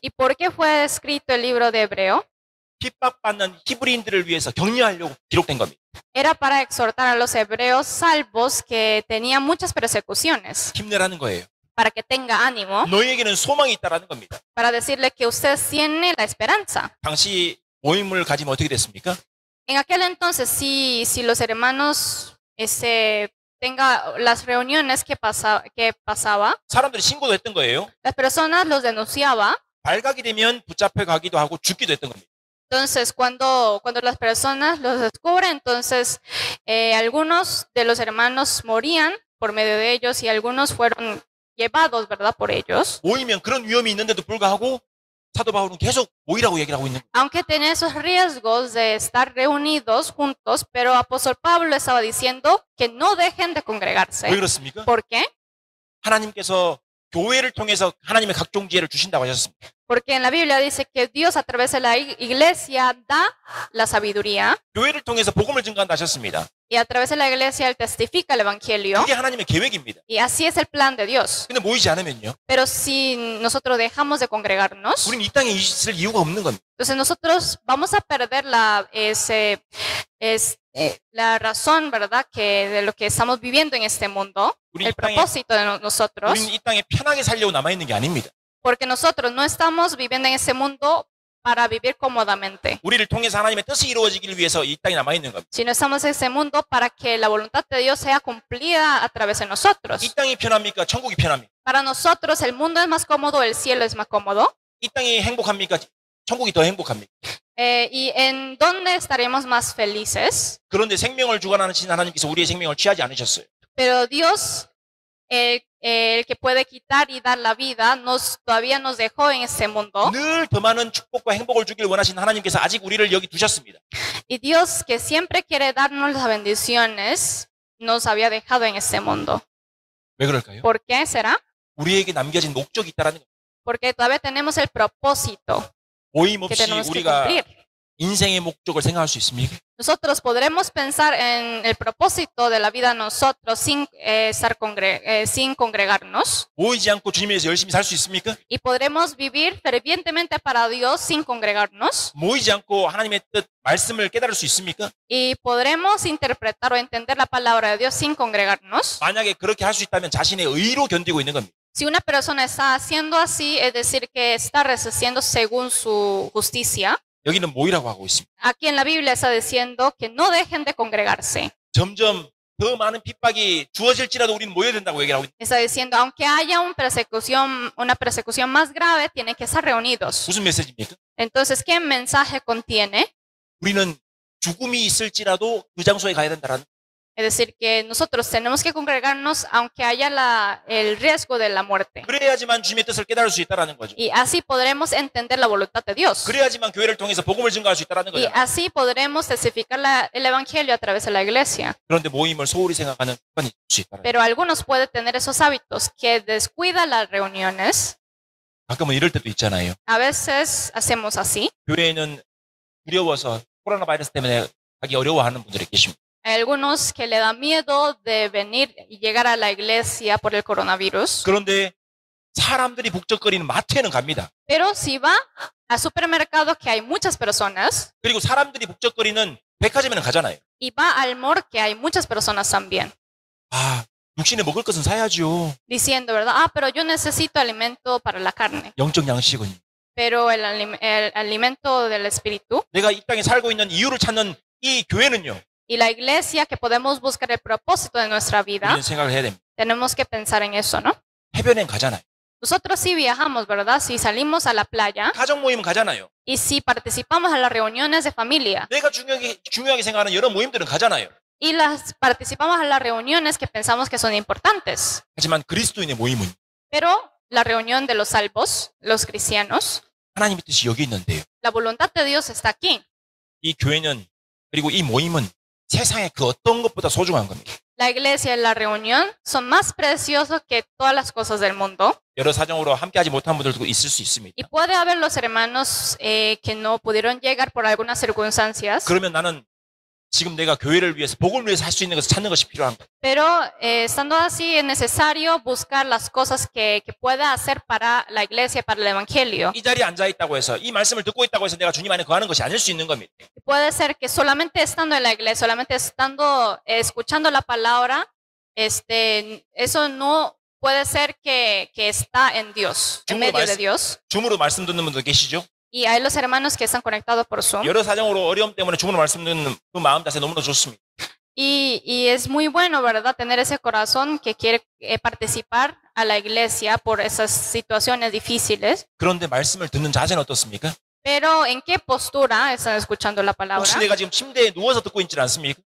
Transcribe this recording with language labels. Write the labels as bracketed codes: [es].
[es] ¿Y por qué fue escrito el libro de Hebreo? [ko] 핍박받는 히브리인들을 위해서 격려하려고 기록된 겁니다. [es] Era para exhortar a los hebreos salvos que tenían muchas persecuciones. [ko] 힘내라는 거예요. [es] Para que tenga ánimo. [ko] 너희에게는 소망이 있다라는 겁니다. [es] Para decirle que usted tiene la esperanza. [ko] 당시 모임을 가지면 어떻게 됐습니까? [es] En aquel entonces, si los hermanos tenga las reuniones que pasaba, [ko] 사람들이 신고도 했던 거예요. [es] Las personas los denunciaba. [ko] 발각이 되면 붙잡혀 가기도 하고 죽기도 했던 겁니다. [es] Entonces, cuando las personas los descubren, entonces algunos de los hermanos morían por medio de ellos y algunos fueron llevados, ¿verdad? Por ellos. [ko] 모이면 그런 위험이 있는데도 불구하고 사도 바울은 계속 모이라고 얘기를 하고 있는 거예요. [es] Aunque tenía esos riesgos de estar reunidos juntos, pero apóstol Pablo estaba diciendo que no dejen de congregarse. [ko] 왜 그렇습니까? [es] ¿Por qué? [ko] 하나님께서 교회를 통해서 하나님의 각종 지혜를 주신다고 하셨습니다. [es] Porque en la Biblia dice que Dios a través de la iglesia da la sabiduría. [ko] 교회를 통해서 복음을 증거한다 하셨습니다. [es] Y a través de la iglesia él testifica el evangelio. [ko] 그게 하나님의 계획입니다. [es] Y así es el plan de Dios. [ko] 근데 모이지 않으면요. [es] Pero si nosotros dejamos de congregarnos. [ko] 우리는 이 땅에 있을 이유가 없는 겁니다. [es] Entonces nosotros vamos a perder la razón, ¿verdad? Que de lo que estamos viviendo en este mundo. El propósito de nosotros. [ko] 우리는 이 땅에 편하게 살려고 남아 있는 게 아닙니다. [es] Porque nosotros no estamos viviendo en ese mundo para vivir cómodamente. [ko] 우리를 통해서 하나님의 뜻이 이루어지기를 위해서 이 땅에 남아 있는 겁니다. [es] Si no estamos en ese mundo para que la voluntad de Dios sea cumplida a través de nosotros. [ko] 이 땅이 편합니까? 천국이 편합니까? [es] Para nosotros el mundo es más cómodo, el cielo es más cómodo. [ko] 이 땅이 행복합니까? 천국이 더 행복합니까? [es] ¿Y en dónde estaremos más felices? [ko] 그런데 생명을 주관하시는 하나님께서 우리의 생명을 취하지 않으셨어요. [es] Pero Dios el que puede quitar y dar la vida nos todavía nos dejó en este mundo. [ko] 늘 더 많은 축복과 행복을 주길 원하신 하나님께서 아직 우리를 여기 두셨습니다. [es] Y Dios que siempre quiere darnos las bendiciones nos había dejado en este mundo. [ko] 왜 그럴까요? [es] ¿Por qué será? [ko] 우리에게 남겨진 목적이 있다라는 거예요. [es] Porque todavía tenemos el propósito. [ko] 모임 없이 우리가 [es] cumplir. [ko] 인생의 목적을 생각할 수 있습니까? [es] Nosotros podremos pensar en el propósito de la vida nosotros sin estar sin congregarnos. [ko] 보이지 않고 주님 위해서 열심히 살 수 있습니까? [es] Y podremos vivir fervientemente para Dios sin congregarnos. [ko] 보이지 않고 하나님의 뜻 말씀을 깨달을 수 있습니까? [es] Y podremos interpretar o entender la palabra de Dios sin congregarnos. [ko] 만약에 그렇게 할 수 있다면 자신의 의로 견디고 있는 겁니다. [es] Si una persona está haciendo así, es decir que está resistiendo según su justicia. [ko] 여기는 모이라고 하고 있습니다. [es] Aquí en la Biblia está diciendo que no dejen de congregarse. [ko] 점점 더 많은 핍박이 주어질지라도 우리는 모여야 된다고 얘기하고 있습니다. [es] Está diciendo aunque haya una persecución más grave, tienen que estar reunidos. [ko] 무슨 메시지입니까? [es] Entonces, ¿qué mensaje contiene? [ko] 우리는 죽음이 있을지라도 그 장소에 가야 된다라는. [es] Es decir, que nosotros tenemos que congregarnos aunque haya el riesgo de la muerte. [ko] 그래야지만 주님의 뜻을 깨달을 수 있다라는 거죠. [es] Y así podremos entender la voluntad de Dios. [ko] 그래야지만 교회를 통해서 복음을 증거할 수 있다라는 거죠. [es] Y así podremos testificar el evangelio a través de la iglesia. [ko] 그런데 모임을 소홀히 생각하는 습관이 있을 수 있다라는. [es] Pero algunos pueden tener esos hábitos que descuida las reuniones. [ko] 가끔은 이럴 때도 있잖아요. [es] A veces hacemos así. [ko] 교회는 두려워서 코로나 바이러스 때문에 하기 어려워하는 분들이 계십니다. [es] Algunos que le da miedo de venir y llegar a la iglesia por el coronavirus. [ko] 그런데 사람들이 북적거리는 마트에는 갑니다. [es] Pero si va al supermercado que hay muchas personas. [ko] 그리고 사람들이 북적거리는 백화점에는 가잖아요. [es] Y va al mall que hay muchas personas también. [ko] 아, 육신에 먹을 것은 사야죠. [es] Diciendo, ¿verdad? Ah, pero yo necesito alimento para la carne. [ko] 영적 양식은. [es] Pero el alimento del espíritu. [ko] 내가 이 땅에 살고 있는 이유를 찾는 이 교회는요. [es] Y la iglesia que podemos buscar el propósito de nuestra vida. Tenemos que pensar en eso, ¿no? [ko] 해변엔 가잖아요. [es] Nosotros sí viajamos, ¿verdad? Si salimos a la playa. [ko] 가족 모임 가잖아요. [es] Y si participamos en las reuniones de familia. [ko] 내가 중요하게 생각하는 여러 모임들은 가잖아요. [es] Y las participamos en las reuniones que pensamos que son importantes. [ko] 하지만 그리스도인의 모임은. [es] Pero la reunión de los salvos, los cristianos. [ko] 하나님의 뜻이 여기 있는데요. [es] La voluntad de Dios está aquí. [ko] 이 교회는 그리고 이 모임은 세상에 그 어떤 것보다 소중한 겁니다. [es] La iglesia y la reunión son más preciosos que todas las cosas del mundo. [ko] 여러 사정으로 함께하지 못한 분들도 있을 수 있습니다. [es] Y puede haber los hermanos que no pudieron llegar por algunas circunstancias. [ko] 그러면 나는 지금 내가 교회를 위해서 복음을 위해서 할 수 있는 것을 찾는 것이 필요한 거예요. [es] Pero estando así es necesario buscar las cosas que pueda hacer para la iglesia para el evangelio. [ko] 이 자리에 앉아 있다고 해서 이 말씀을 듣고 있다고 해서 내가 주님 안에 거하는 것이 아닐 수 있는 겁니다. [es] Puede ser que solamente estando en la iglesia, solamente estando escuchando la palabra, eso no puede ser que está en Dios, en medio de Dios. [ko] 줌으로 말씀 듣는 분도 계시죠? [es] Y hay los hermanos que están conectados por Zoom. [ko] 여러 사정으로 어려움 때문에 주문 말씀 듣는 그 마음 자세 너무나 좋습니다. [es] Y es muy bueno, ¿verdad? Tener ese corazón que quiere participar a la iglesia por esas situaciones difíciles. [ko] 그런데 말씀을 듣는 자세는 어떻습니까? [es] Pero ¿en qué postura están escuchando la palabra? [ko] 혹시 내가 지금 침대에 누워서 듣고 있지 않습니까?